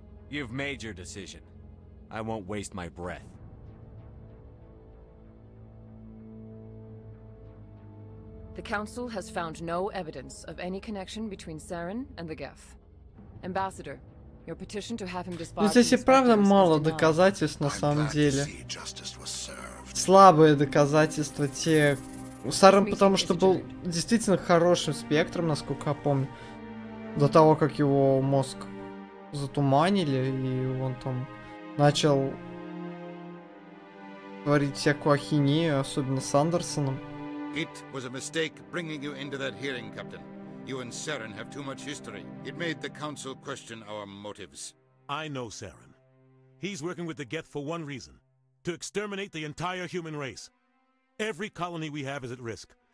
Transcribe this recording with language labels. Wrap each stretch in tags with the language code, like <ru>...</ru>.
<en>You've made your decision. I won't waste my breath. The Council has found no evidence of any connection between Saren and the Geth. Ambassador, your petition to have him disbarred.</en> <ru>Здесь и правда мало доказательств на самом деле. Слабые доказательства те. Саран, потому что был действительно хорошим спектром, насколько я помню. До того, как его мозг затуманили, и он там начал творить всякую ахинею, особенно с Андерсоном.</ru> <en>It was a mistake bringing you into that hearing, Captain. You and Saren have too much history. It made the Council question our motives. I know Saren. He's working with the Geth for one reason. To exterminate the entire human race. Every colony we have is at risk.</en>